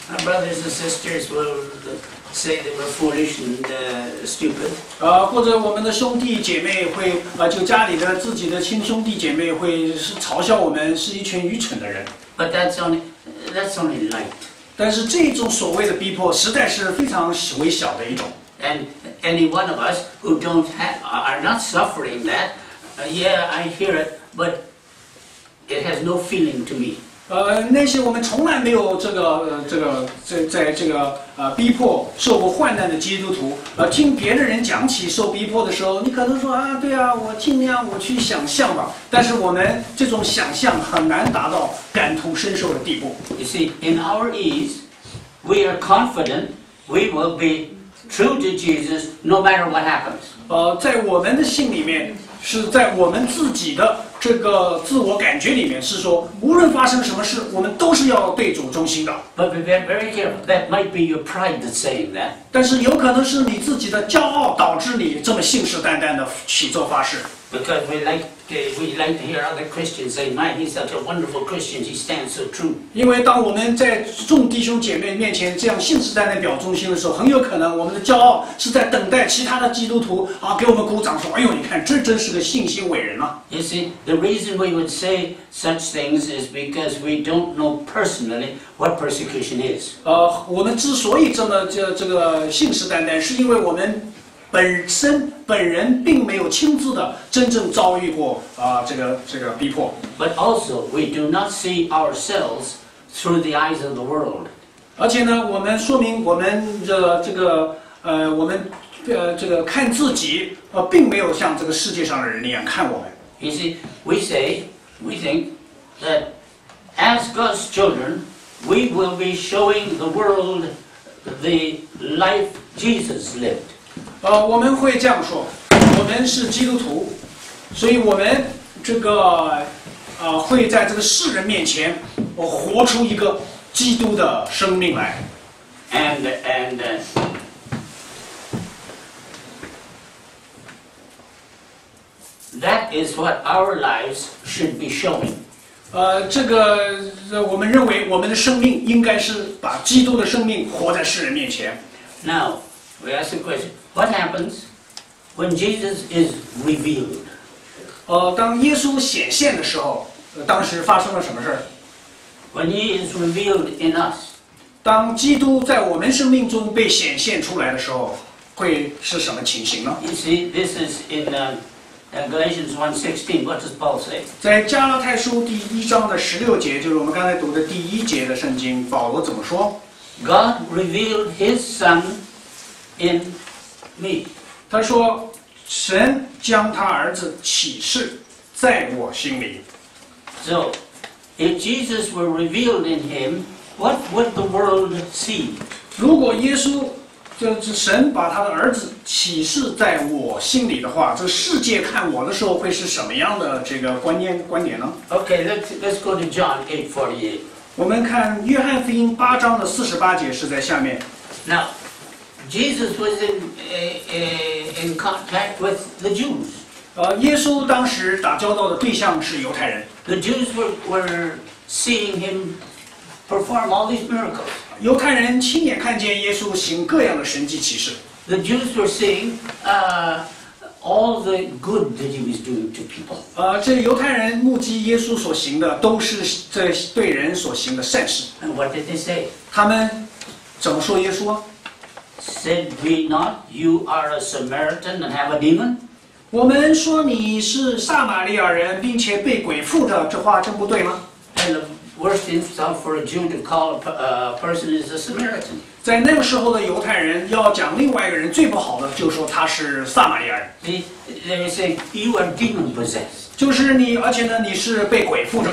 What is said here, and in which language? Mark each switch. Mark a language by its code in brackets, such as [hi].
[en] Our brothers and sisters will say that we're foolish and stupid. [zh] 或者我们的兄弟姐妹会就家里的自己的亲兄弟姐妹会嘲笑我们是一群愚蠢的人。 [en] But that's only light. [zh] 但是这种所谓的逼迫实在是非常微小的一种。 [en] And any one of us who don't have, are not suffering that, yeah, I hear it, but it has no feeling to me. [zh] 那些我们从来没有这个在这个逼迫受过患难的基督徒，听别的人讲起受逼迫的时候，你可能说啊，对啊，我尽量我去想象吧。但是我们这种想象很难达到感同身受的地步。 [en] You see, in our ease, we are confident we will be true to Jesus no matter what happens. [zh] 在我们的心里面。是在我们自己的这个自我感觉里面，是说无论发生什么事，我们都是要对主忠心的。 [en] But be very careful. That might be your pride saying that. [zh] 但是有可能是你自己的骄傲导致你这么信誓旦旦的起坐发誓。 [en] Because we like to hear other Christians say, "My, he's such a wonderful Christian. He stands so true." [zh] 因为当我们在众弟兄姐妹面前这样信誓旦旦表忠心的时候，很有可能我们的骄傲是在等待其他的基督徒啊给我们鼓掌，说：“哎呦，你看，这真是个信心伟人啊！” [en] You see, the reason we would say such things is because we don't know personally what persecution is. [zh] 我们之所以这个信誓旦旦，是因为我们。本身本人并没有亲自的真正遭遇过这个逼迫。 [en] But also we do not see ourselves through the eyes of the world. [zh] 而且呢，我们说明我们这个看自己并没有像这个世界上的人那样看我们。 [en] You see, we think that as God's children, we will be showing the world the life Jesus lived. [zh] 我们会这样说，我们是基督徒，所以我们这个会在这个世人面前，我活出一个基督的生命来。 [en] And that is what our lives should be showing. [zh] 这个我们认为我们的生命应该是把基督的生命活在世人面前。 [en] Now we ask a question. What happens when Jesus is revealed? [zh] 当耶稣显现的时候，当时发生了什么事儿？ [en] When he is revealed in us, [zh] 当基督在我们生命中被显现出来的时候，会是什么情形呢？ [en] You see, this is in Galatians 1:16. What does Paul say? [zh] 在加拉太书第一章的十六节，就是我们刚才读的第一节的圣经，保罗怎么说？ [en] God revealed His Son in me. [zh] 他说神将他儿子启示在我心里。 [en] So if Jesus were revealed in him, what would the world see? [zh] 如果耶稣就神把他的儿子启示在我心里的话，这世界看我的时候会是什么样的这个观点呢？ [en] Okay, let's go to John 8:48. [zh] 我们看约翰福音八章的四十八节是在下面。 [en] NowJesus was in contact with the Jews. [zh] 耶稣当时打交道的对象是犹太人。 [en] The Jews were seeing him perform all these miracles. [zh] 犹太人亲眼看见耶稣行各样的神迹奇事。 [en] The Jews were seeing all the good that he was doing to people. [zh] 这犹太人目击耶稣所行的都是这对人所行的善事。 [en] And what did they say? [zh] 他们怎么说耶稣？ [en] Said we not, you are a Samaritan and have a demon? [zh] 我们说你是撒玛利亚人，并且被鬼附着，这话真不对吗？ [en] And the worst insult for a Jew to call a person is a Samaritan. [zh] 在那个时候的犹太人要讲另外一个人最不好的，就说他是撒玛利亚人。 [en] They say you are demon possessed. [zh] 就是你，而且呢，你是被鬼附着。